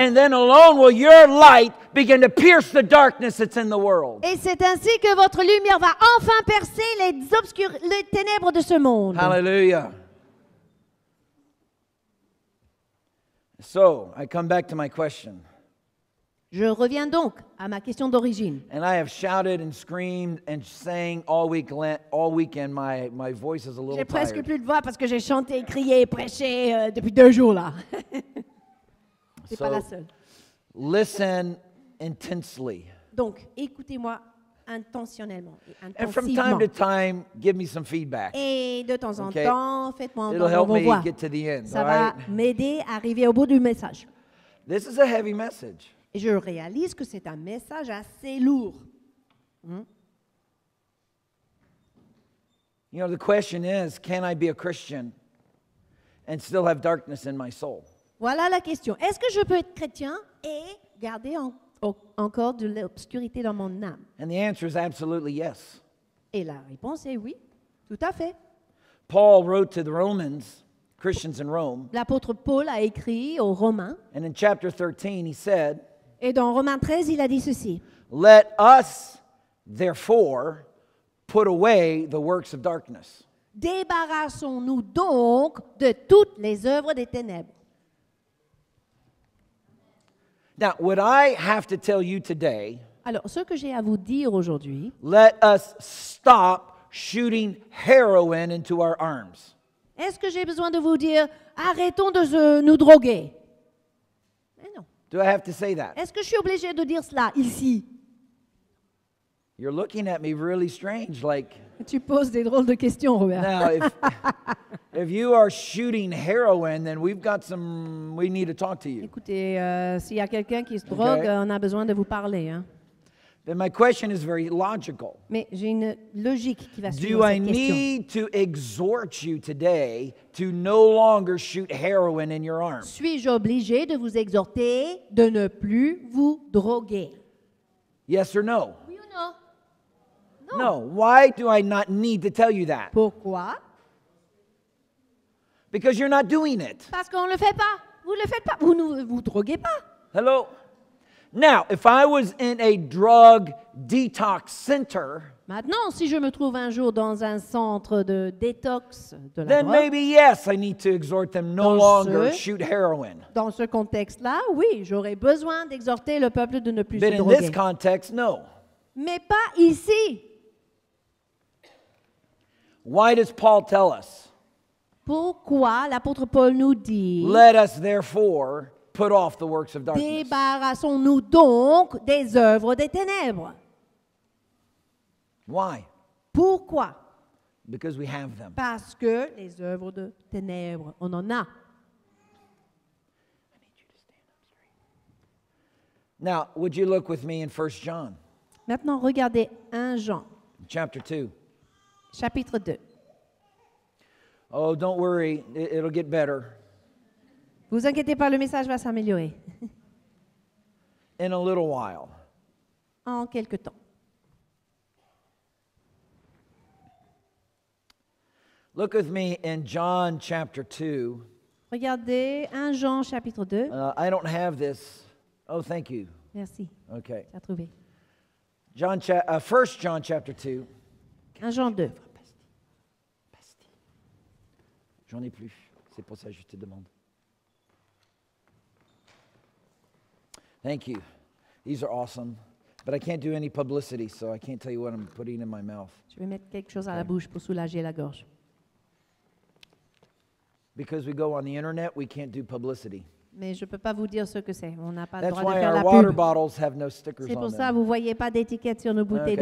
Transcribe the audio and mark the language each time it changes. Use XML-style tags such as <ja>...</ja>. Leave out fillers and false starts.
<en>And then alone will your light begin to pierce the darkness that's in the world.</en> <fr>Et c'est ainsi que votre lumière va enfin percer les ténèbres de ce monde.</fr> <en>Hallelujah. So, I come back to my question.</en> <fr>Je reviens donc à ma question d'origine.</fr> <en>And I have shouted and screamed and sang all weekend. My voice is a little</en> <fr>j'ai J'ai presque plus de voix parce que j'ai chanté, crié, prêché depuis 2 jours là. C'est</fr> <en>so,</en> <fr>pas la seule.</fr> <en>Listen intensely.</en> <fr>Donc, écoutez-moi intentionnellement et intensivement.</fr> <en>And from time to time, give me some feedback.</en> <fr>Et de temps en</fr> <en>okay.</en> <fr>temps, faites-moi entendre vos voix.</fr> <en>It'll help me get to the end.</en> <fr>Ça</fr> <en>all</en> <fr>va</fr> <en>right?</en> <fr>m'aider à arriver au bout du message.</fr> <en>This is a heavy message.</en> <fr>Et je réalise que c'est un message assez lourd.</fr> <en>You know, the question is, can I be a Christian and still have darkness in my soul?</en> <fr>Voilà la question. Est-ce que je peux être chrétien et garder encore de l'obscurité dans mon âme?</fr> <en>And the answer is absolutely yes.</en> <fr>Et la réponse est oui, tout à fait.</fr> <en>Paul wrote to the Romans, Christians in Rome.</en> <fr>L'apôtre Paul a écrit aux Romains.</fr> <en>And in chapter 13, he said,</en> <fr>et dans Romains 13, il a dit ceci.</fr> <en>Let us, therefore, put away the works of darkness.</en> <fr>Débarrassons-nous donc de toutes les œuvres des ténèbres.</fr> <en>Now, what I have to tell you today,</en> <fr>alors, ce que j'ai à vous dire aujourd'hui,</fr> <en>let us stop shooting heroin into our arms.</en> <fr>Est-ce que j'ai besoin de vous dire, arrêtons de nous droguer? Mais non.</fr> <en>Do I have to say that?</en> <fr>Est-ce que je suis obligé de dire cela ici?</fr> <en>You're looking at me really strange, like.</en> <fr>Tu poses des drôles de questions, Robert.</fr> <en>Now, if you are shooting heroin, then we've got some. We need to talk to you.</en> <fr>Écoutez, s'il y a quelqu'un qui se drogue, okay. On a besoin de vous parler, hein.</fr> <en>Then my question is very logical.</en> <fr>Mais j'ai une logique qui va suivre</fr> <en>Do</en> <fr>cette</fr> <en>I</en> <fr>question.</fr> <en>Need to exhort you today to no longer shoot heroin in your arm?</en> <fr>Suis-je obligé de vous exhorter de ne plus vous droguer?</fr> <en>Yes or no?</en> <fr>Oui ou non?</fr> <en>No, why do I not need to tell you that?</en> <fr>Pourquoi?</fr> <en>Because you're not doing it.</en> <fr>Parce qu'on le fait pas. Vous le faites pas. Vous ne vous droguez pas.</fr> <en>Hello? Now, if I was in a drug detox center,</en> <fr>maintenant, si je me trouve un jour dans un centre de détox de la drogue,</fr> <en>then maybe yes, I need to exhort them no longer shoot heroin.</en> <fr>Dans ce contexte-là, oui, j'aurais besoin d'exhorter le peuple de ne plus se droguer.</fr> <en>But in this context, no.</en> <fr>Mais pas ici.</fr> <en>Why does Paul tell us?</en> <fr>Pourquoi l'apôtre Paul nous dit?</fr> <en>Let us therefore put off the works of darkness.</en> <fr>Débarrassons-nous donc des œuvres des ténèbres.</fr> <en>Why?</en> <fr>Pourquoi?</fr> <en>Because we have them.</en> <fr>Parce que les œuvres de ténèbres, on en a.</fr> <en>I need you to stand up straight. Now, would you look with me in 1 John?</en> <fr>Maintenant, regardez 1 Jean.</fr> <en>Chapter 2.</en> <fr>Chapitre 2.</fr> <en>Oh, don't worry, it'll get better.</en> <fr>Vous inquiétez pas, le message va s'améliorer.</fr> <en>In a little while.</en> <fr>En quelque temps.</fr> <en>Look with me in John chapter 2.</en> <fr>Regardez 1 Jean chapitre 2.</fr> <en>I don't have this. Oh, thank you.</en> <fr>Merci.</fr> <en>Okay.</en> <fr>Tu as trouvé.</fr> <en>John 1 John chapter 2.</en> <fr>1 Jean 2. J'en ai plus. C'est pour ça que je te demande.</fr> <en>Thank you. These are awesome. But I can't do any publicity, so I can't tell you what I'm putting in my mouth.</en> <fr>Je vais mettre quelque chose à la bouche pour soulager la gorge.</fr> <en>Because we go on the internet, we can't do publicity.</en> <fr>Mais je ne peux pas vous dire ce que c'est. On n'a pas</fr> <en>That's</en> <fr>le droit de faire</fr> <en>our</en> <fr>la pub.</fr> <en>Water bottles have no stickers</en> <fr>c'est pour</fr> <en>on</en> <fr>ça que vous ne voyez pas d'étiquette sur nos bouteilles okay.</fr>